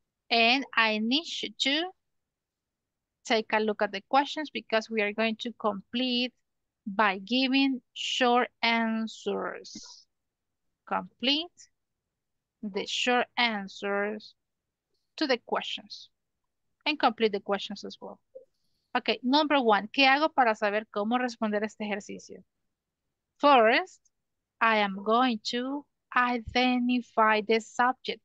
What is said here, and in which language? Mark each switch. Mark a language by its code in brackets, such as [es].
[en] And I need you to take a look at the questions because we are going to complete by giving short answers. Complete the short answers to the questions and complete the questions as well. Okay, number one, [es] ¿qué hago para saber cómo responder este ejercicio? [en] First, I am going to identify the subject.